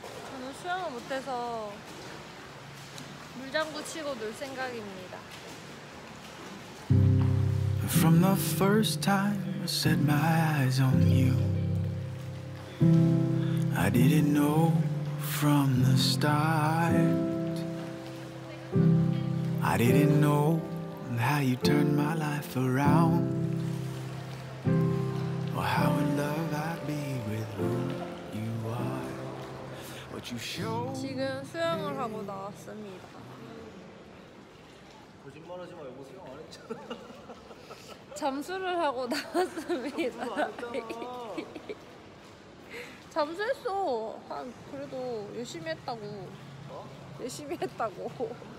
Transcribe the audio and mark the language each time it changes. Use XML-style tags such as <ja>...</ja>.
<ko>저는 수영을 못해서 물장구 치고 놀 생각입니다.</ko> <en>From the first time I set my eyes on you I didn't know from the start I didn't know how you turned my life around or how in love I'd be with who you are what you show</en> <ko>지금 수영을 하고 나왔습니다. 거짓말하지 마. 여보 수영 안 했잖아. 잠수를 하고 나왔습니다. 잠수했어. 한 그래도 열심히 했다고. 어? 열심히 했다고.</ko>